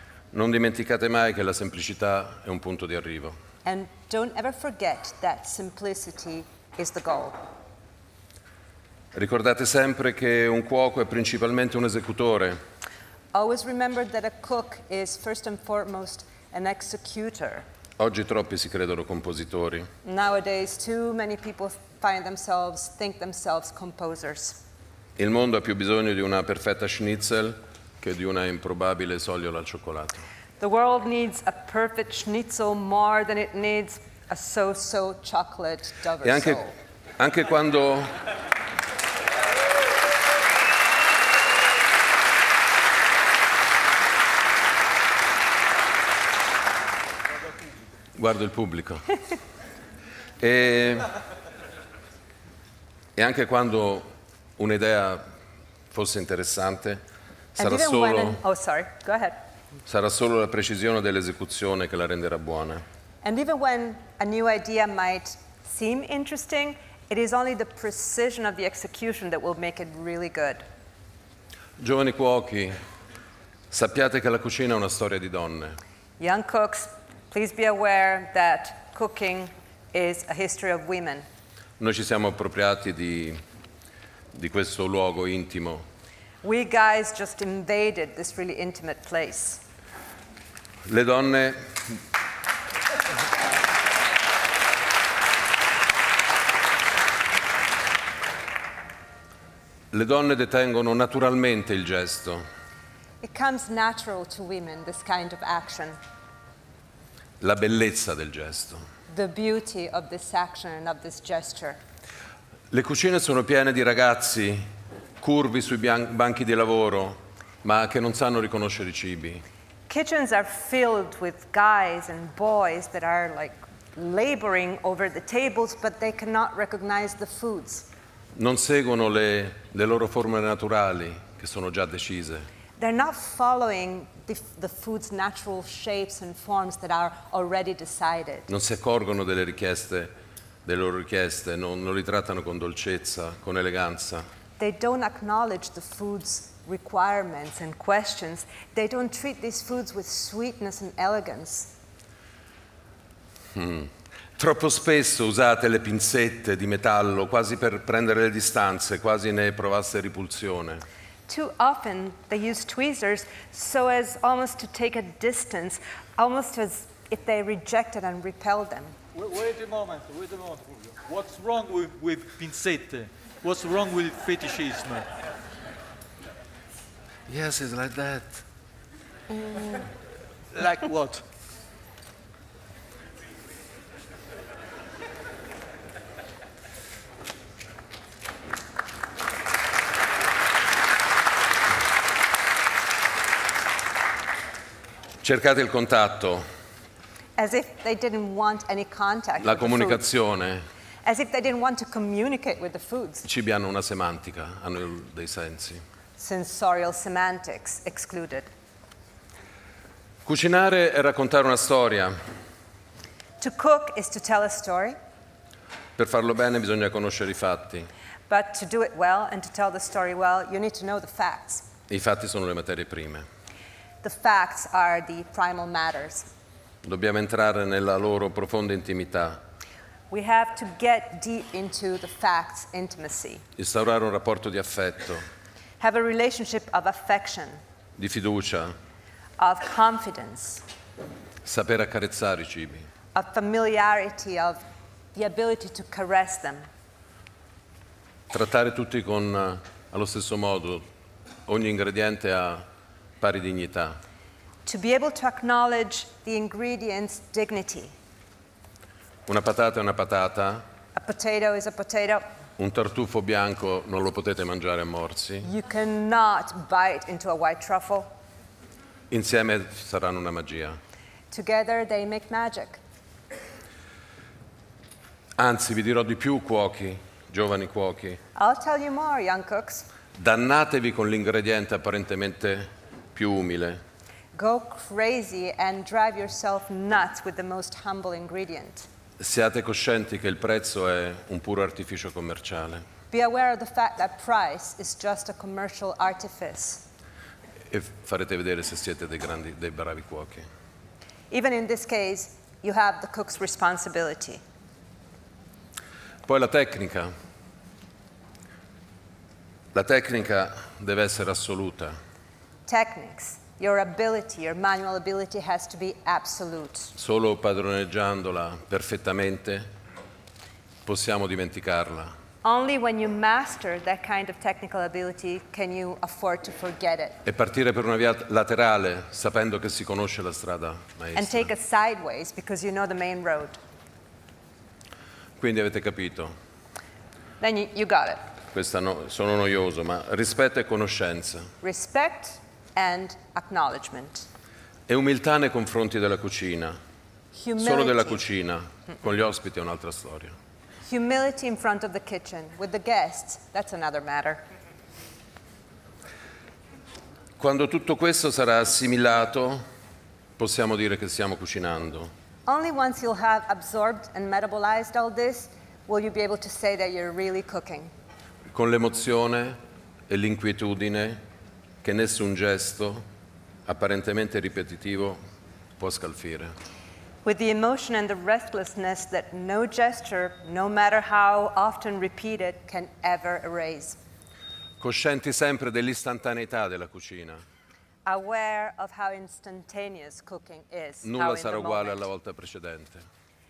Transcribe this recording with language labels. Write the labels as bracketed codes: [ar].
[it] Non dimenticate mai che la semplicità è un punto di arrivo. [en] And don't ever forget that simplicity is the goal. [it] Ricordate sempre che un cuoco è principalmente un esecutore. [en] Always remember that a cook is first and foremost an executor. [it] Oggi troppi si credono compositori. [en] Nowadays too many people think themselves composers. [it] Il mondo ha più bisogno di una perfetta schnitzel che di una improbabile sogliola al cioccolato. [en] The world needs a perfect schnitzel more than it needs a so-so chocolate Dover sole. [it] Anche quando guardo il pubblico. E anche quando un'idea fosse interessante, sarà solo la precisione dell'esecuzione che la renderà buona. [en] And even when a new idea might seem interesting, it is only the precision of the execution that will make it really good. [it] Giovani cuochi, sappiate che la cucina è una storia di donne. [en] Young cooks, please be aware that cooking is a history of women. [it] Noi ci siamo appropriati di questo luogo intimo. [en] We guys just invaded this really intimate place. [it] Le donne. Le donne detengono naturalmente il gesto. [en] It comes natural to women, this kind of action. [it] La bellezza del gesto. [en] The beauty of this action and of this gesture. [it] Le cucine sono piene di ragazzi curvi sui banchi di lavoro, ma che non sanno riconoscere i cibi. [en] Kitchens are filled with guys and boys that are like laboring over the tables, but they cannot recognize the foods. [it] Non seguono le loro formule naturali che sono già decise. [en] They're not following the food's natural shapes and forms that are already decided. [it] Non si accorgono delle loro richieste, non li trattano con dolcezza, con eleganza. [en] They don't acknowledge the food's requirements and questions. They don't treat these foods with sweetness and elegance. [it] Troppo spesso usate le pinzette di metallo quasi per prendere le distanze, quasi ne provaste ripulsione. [en] Too often they use tweezers so as almost to take a distance, almost as if they rejected and repelled them. Wait a moment. What's wrong with pinzette? What's wrong with fetishism? Yes, it's like that. Like what? [it] Cercate il contatto. [en] As if they didn't want any contact. [it] La comunicazione. [en] As if they didn't want to communicate with the foods. [it] I cibi hanno una semantica, hanno dei sensi. [en] Sensorial semantics excluded. [it] Cucinare è raccontare una storia. [en] To cook is to tell a story. [it] Per farlo bene bisogna conoscere i fatti. [en] But to do it well and to tell the story well, you need to know the facts. [it] I fatti sono le materie prime. [en] The facts are the primal matters. [it] Dobbiamo entrare nella loro profonda intimità. [en] We have to get deep into the facts intimacy. [it] Instaurare un rapporto di affetto. [en] Have a relationship of affection. [it] Di fiducia. [en] Of confidence. [it] Saper accarezzare i cibi. [en] Of familiarity, of the ability to caress them. [it] Trattare tutti con allo stesso modo, ogni ingrediente ha pari dignità. [en] To be able to acknowledge the ingredients' dignity. [it] Una patata è una patata. [en] A potato is a potato. [it] Un tartufo bianco non lo potete mangiare a morsi. [en] You cannot bite into a white truffle. [it] Insieme saranno una magia. [en] Together they make magic. [it] Anzi, vi dirò di più, cuochi, giovani cuochi. [en] I'll tell you more, young cooks. [it] Dannatevi con l'ingrediente apparentemente più umile. [en] Go crazy and drive yourself nuts with the most humble ingredient. [it] Siate coscienti che il prezzo è un puro artificio commerciale. [en] Be aware of the fact that price is just a commercial artifice. [it] E farete vedere se siete dei grandi, dei bravi cuochi. [en] Even in this case, you have the cook's responsibility. [it] Poi la tecnica. La tecnica deve essere assoluta. [en] Techniques. Your ability, your manual ability has to be absolute. [it] Solo padroneggiandola perfettamente possiamo dimenticarla. [en] Only when you master that kind of technical ability can you afford to forget it. [it] E partire per una via laterale sapendo che si conosce la strada maestra. [en] And take it sideways because you know the main road. [it] Quindi avete capito. [en] Then you got it. [it] Questa no, sono noioso, ma rispetto e conoscenza. [en] Respect and acknowledgement. [it] E umiltà nei confronti della cucina. [en] Humility. [it] Solo della cucina. Con gli ospiti è un'altra storia. [en] Humility in front of the kitchen. With the guests, that's another matter. [it] Quando tutto questo sarà assimilato, possiamo dire che stiamo cucinando. [en] Only once you'll have absorbed and metabolized all this will you be able to say that you're really cooking. [it] Con l'emozione e l'inquietudine che nessun gesto apparentemente ripetitivo può scalfire. [en] With the emotion and the restlessness that no gesture, no matter how often repeated, can ever erase. [it] Coscienti sempre dell'istantaneità della cucina. [en] Aware of how instantaneous cooking is. [it] Nulla sarà uguale alla volta precedente.